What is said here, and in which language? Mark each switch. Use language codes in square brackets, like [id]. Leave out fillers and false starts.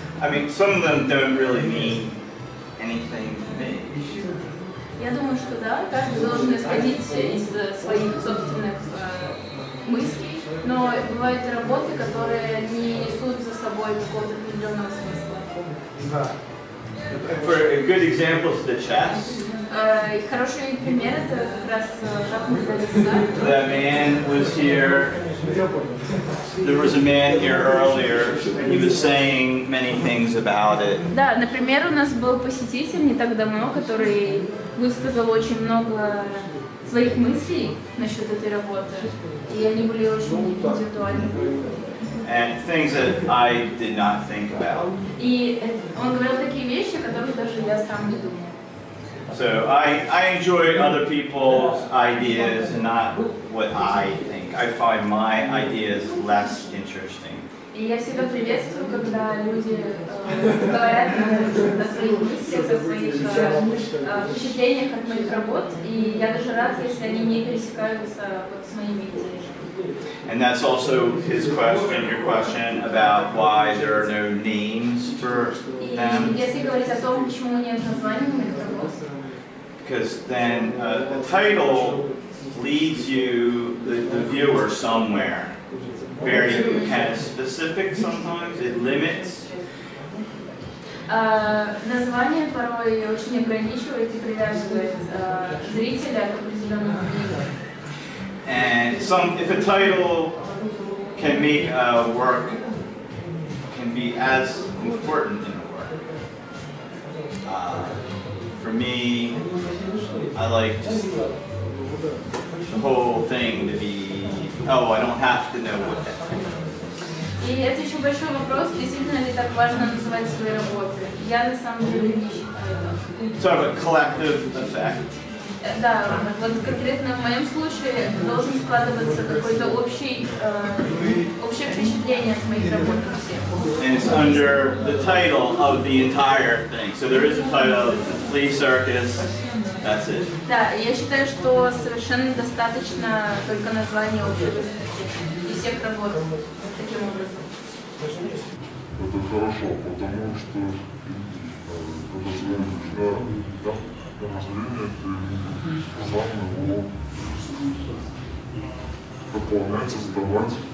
[en] I mean, some of them don't really mean anything to me. [ru] Я думаю, что да, каждый должен исходить из своих собственных мыслей. Но бывают работы, которые не несут за собой какого-то определенного смысла. [en] Да. For a good example is the chess. [ru] Хороший пример это как раз [en] The man was here. There was a man here earlier, and he was saying many things about it. [ru] Да, например, у нас был посетитель не так давно, который высказал очень много своих мыслей насчет этой работы. И они были очень индивидуальны. [en] And things that I did not think about. [ru] И он говорил такие вещи, которые даже я сам не думал. [en] So I enjoy other people's ideas and not what I think. I find my ideas less interesting. [ru] И я всегда приветствую, когда люди говорят о своих мыслях, о своих впечатлениях от моих работ. И я даже рад, если они не пересекаются вот с моими идеями. [en] And that's also his question, your question about why there are no names for them. [ru] Если говорить о том, почему нет названий у моих работ. [en] Because then the title leads you, the viewer, somewhere. Very kind of specific sometimes, it limits. [ru] Название порой очень ограничивает и привязывает зрителя к определенному книге. [en] And if a title can make a work, can be as important in a work. For me, I like just the whole thing to be, oh, I don't have to know what that is. [ru] И это еще большой вопрос, действительно ли так важно называть свои работы. Я на самом деле не считаю. [en] Sort of a collective effect. [ru] Да, вот конкретно в моем случае должен складываться какое-то общее впечатление с моих работ. [en] And it's under the title of the entire thing. So there is a title of the flea circus. That's it. [ru] Да, я считаю, что совершенно достаточно только название общего и всех работ таким образом. Это хорошо, потому что когда же нужна, да, на название, то главное было дополнять, создавать.